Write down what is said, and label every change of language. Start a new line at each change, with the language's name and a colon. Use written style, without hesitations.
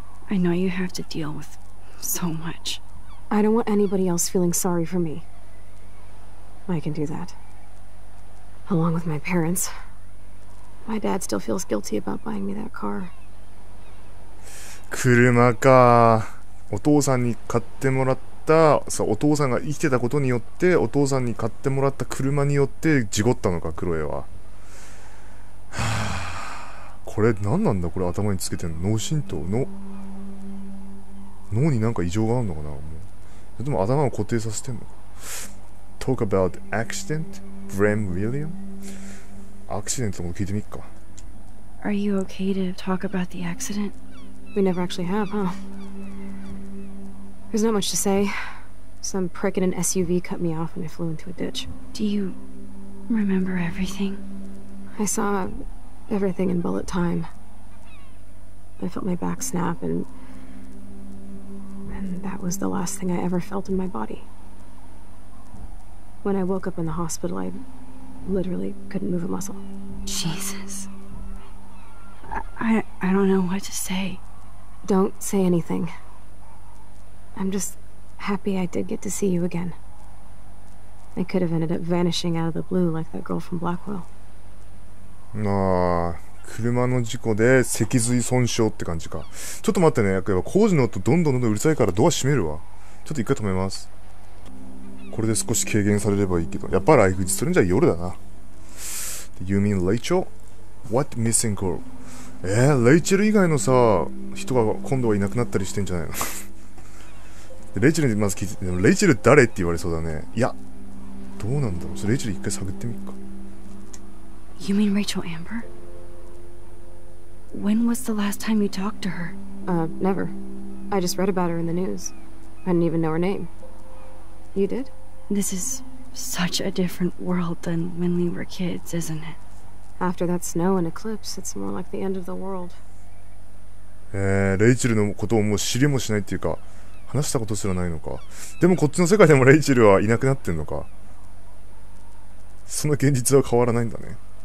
English: I know you have to deal with so much. I don't want anybody else feeling sorry for me. I can do that. Along with my parents. My dad still feels guilty about buying me that car.
Japanese: 車か。お父さんに買ってもらった、さ、お父さんが生きてたことによって、お父さんに買ってもらった車によって事故ったのか、クロエは。はあ、これ何なんだ、これ頭につけてんの。脳震盪の。脳になんか異常があるのかな、もう。でも頭を固定させてんのか。
English: Talk about accident? Bram William?
Japanese: アクシデントも聞いてみっか。
English: Are you okay to talk about the accident? We never actually have, huh? There's not much to say. Some prick in an SUV cut me off and I flew into a ditch. Do you remember everything? I saw everything in bullet time. I felt my back snap and... And that was the last thing I ever felt in my body. When I woke up in the hospital, I literally couldn't move a muscle. Jesus. I don't know what to say. Don't say anything. I'm just happy I did get to see you again. I could have ended up vanishing out of the blue like that girl from Blackwell. Ah.
Japanese: 車の事故で脊髄損傷って感じか。ちょっと待ってね、やっぱ工事の音どんどんうるさいからドア閉めるわ。ちょっと一回止めます。これで少し軽減されればいいけど、やっぱライフジするんじゃ夜だな。
English: You mean Rachel? What missing girl?
Japanese: レイチェル以外のさ人が今度はいなくなったりしてんじゃないのレイチェルにまず聞いて、レイチェル誰って言われそうだね。いやどうなんだろう、レイチェル一回探ってみっか。
English: You mean Rachel Amber? When was the last time you talked to her? Never. I just read about her in the news. I didn't even know her name. You did? This is such a different world than when we were kids, isn't it? After that snow and eclipse, it's more like the end of the world.
Japanese: レイチェルのことをもう知りもしないっていうか、話したことすらないのか。でもこっちの世界でもレイチェルはいなくなってんのか。その現実は変わらないんだね。